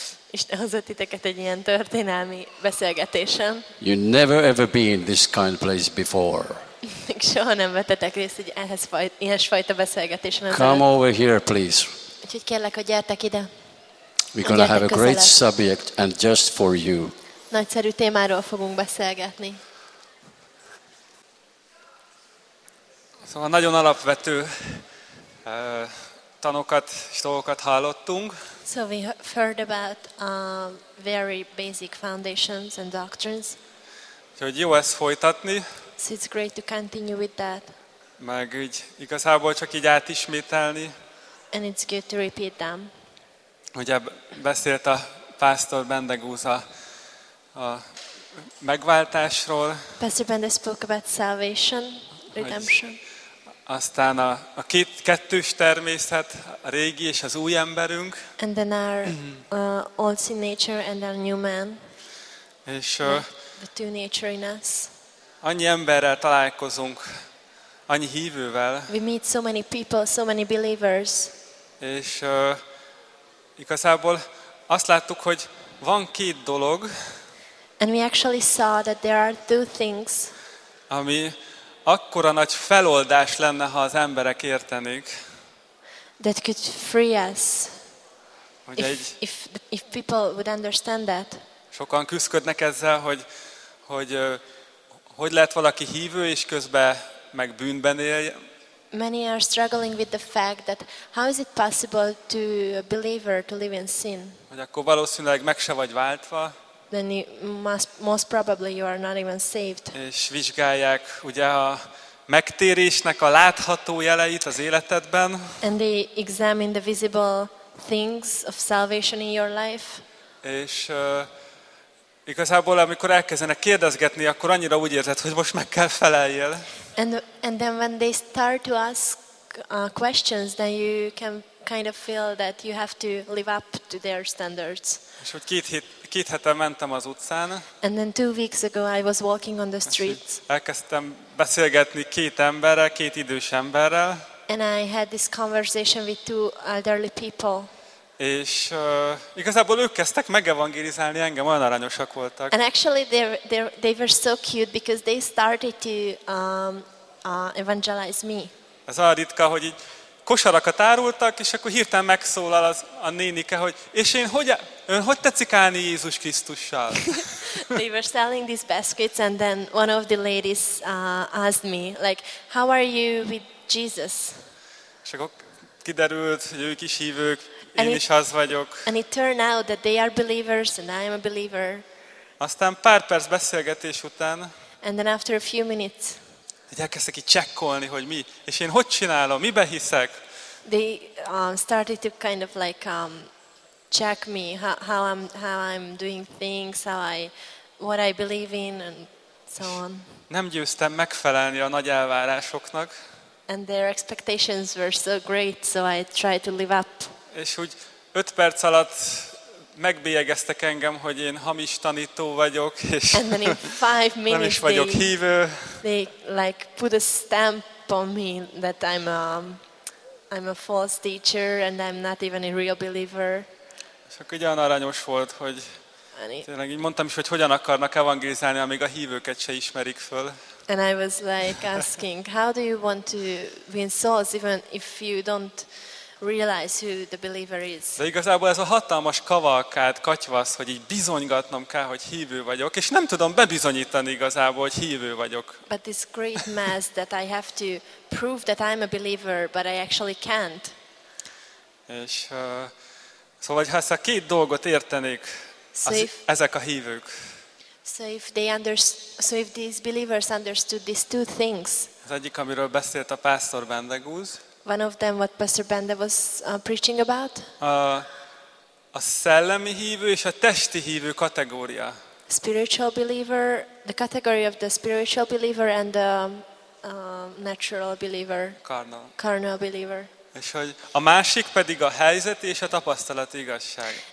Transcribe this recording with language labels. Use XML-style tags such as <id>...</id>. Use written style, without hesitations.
<hu>Isten hozott titeket egy ilyen történelmi beszélgetésen.</hu> <en>You never ever been in this kind of place before.</en> <hu>Még soha nem vettetek részt egy ilyesfajta beszélgetésen.</hu> <en>Come over here, please.</en> <hu>Úgyhogy kérlek, hogy gyertek ide.</hu> <en>We're going to have a great subject and just for you.</en> <hu>Nagyszerű témáról fogunk beszélgetni. Szóval nagyon alapvető tanokat és dolgokat hallottunk.</hu> <en>So we heard about very basic foundations and doctrines.</en> <hu>Úgyhogy jó ezt folytatni.</hu> <en>So it's great to continue with that.</en> <hu>Meg így igazából csak így átismételni.</hu> <en>And it's good to repeat them.</en> <hu>Ugye beszélt a pásztor Bendegúza a megváltásról.</hu> <en>Pastor Bende spoke about salvation, redemption.</en> <hu>Aztán a két kettős természet, a régi és az új emberünk.</hu> <en>And then our old sin nature and our new man.</en> <hu>És</hu> <en>the two nature in us.</en> <hu>Annyi emberrel találkozunk, annyi hívővel.</hu> <en>We meet so many people, so many believers.</en> <hu>És igazából azt láttuk, hogy van két dolog.</hu> <en>And we actually saw that there are two things.</en> <hu>Ami akkora nagy feloldás lenne, ha az emberek értenék.</hu> <en>That could free us. If people would understand that.</en> <hu>Sokan küzdködnek ezzel, hogy lehet valaki hívő és közben meg bűnben él.</hu> <en>Many are struggling with the fact that how is it possible to a believer to live in sin?</en> <hu>Hogy akkor valószínűleg meg se vagy váltva.</hu> <en>Then most probably you are not even saved.</en> <hu>És vizsgálják ugye a megtérésnek a látható jeleit az életedben.</hu> <en>And they examine the visible things of salvation in your life.</en> <hu>És igazából amikor elkezdenek kérdezgetni, akkor annyira úgy érzed, hogy most meg kell feleljél.</hu> <en>And then when they start to ask questions, then you can kind of feel that you have to live up to their standards.</en> <hu>És hogy két hete mentem az utcán.</hu> <en>And then 2 weeks ago I was walking on the streets.</en> <hu>Elkezdtem beszélgetni két emberrel, két idős emberrel.</hu> <en>And I had this conversation with two elderly people.</en> <hu>És igazából ők kezdtek megevangelizálni engem, olyan aranyosak voltak.</hu> <en>And actually they were so cute because they started to evangelize me.</en> <hu>Ez olyan ritka, hogy így kosarakat árultak, és akkor hirtelen megszólal az a nénike, hogy és én hogy tetszik állni Jézus Krisztussal?</hu> <en>They were selling these baskets and then one of the ladies asked me like how are you with Jesus?</en> <hu>És akkor kiderült, hogy ők is hívők. Én is az vagyok.</hu> <en>And it turned out that they are believers and I am a believer.</en> <hu>Aztán pár perc beszélgetés után.</hu> <en>And then after a few minutes.</en> <hu>Így elkezdtek így csekkolni, hogy mi, és én hogy csinálom, mibe hiszek.</hu> <en>They started to kind of like check me how I'm doing things, what I believe in and so on.</en> <hu>Nem győztem megfelelni a nagy elvárásoknak.</hu> <en>And their expectations were so great, so I tried to live up.</en> <hu>És úgy 5 perc alatt megbélyegeztek engem, hogy én hamis tanító vagyok, és nem is vagyok hívő.</hu> <en>They like put a stamp on me that I'm a false teacher and I'm not even a real believer.</en> <hu>És akkor ugyan aranyos volt, hogy tényleg így mondtam is, hogy hogyan akarnak evangelizálni, amíg a hívőket se ismerik föl.</hu> <en>And I was like asking, how do you want to win souls even if you don't realize who the believer is.</en> <hu>De igazából ez a hatalmas kavalkád, katyvasz, hogy így bizonygatnom kell, hogy hívő vagyok, és nem tudom bebizonyítani igazából, hogy hívő vagyok.</hu> <en>But this great mess that I have to prove that I'm a believer, but I actually can't.</en> <hu>És szóval, ha ezt a két dolgot értenék, ezek a hívők.</hu> <en>So if these believers understood these two things.</en> <hu>Az egyik, amiről beszélt a pásztor Bendegúz.</hu> <en>One of them what Pastor Bende was preaching about?</en> <hu>A szellemi hívő és a testi hívő kategória.</hu> <en>Spiritual believer, the category of the spiritual believer and the natural believer. Carnal believer.</en> <hu>És hogy a másik pedig a helyzet és a tapasztalat igazság.</hu>